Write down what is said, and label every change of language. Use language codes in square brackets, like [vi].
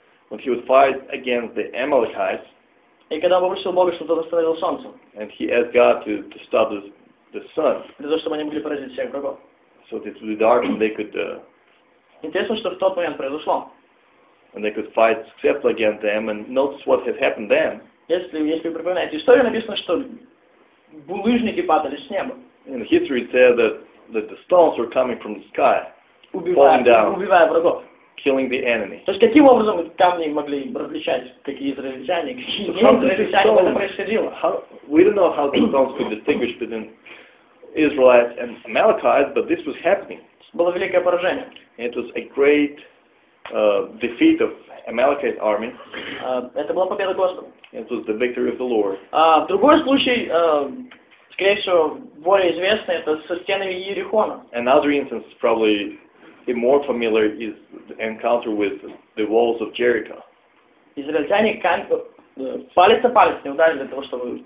[en] When he would fight against the Amalekites. [ru] И когда он попросил Бога, чтобы тот остановил солнце. [en] And he asked God to stop the sun. [ru] Для того, чтобы они могли поразить всех врагов. [en] So that it would be dark and they could. [ru] Интересно, что в тот момент произошло. [en] And they could fight successfully against them and notice what had happened then. [ru] Если припоминаете историю, написано, что булыжники падали с неба. [en] In history it said that the stones were coming from the sky, [ru] убивая врагов. [en] Killing the enemy. [ru] То есть каким образом камни могли различать, какие израильтяне, какие не израильтяне, это происходило? [en] We don't know how the stones could distinguish between Israelites and Amalekites, but this was happening. [ru] Было великое поражение. [en] It was a great defeat of Amalekite army. [ru] Это была победа Господа. [en] It was the victory of the Lord. [ru] Другой случай, скорее всего, более известный, это со стенами Иерихона. [en] Another instance, probably more familiar, is the encounter with the walls of Jericho. [ru] Израильтяне палец о палец не ударили для того, чтобы...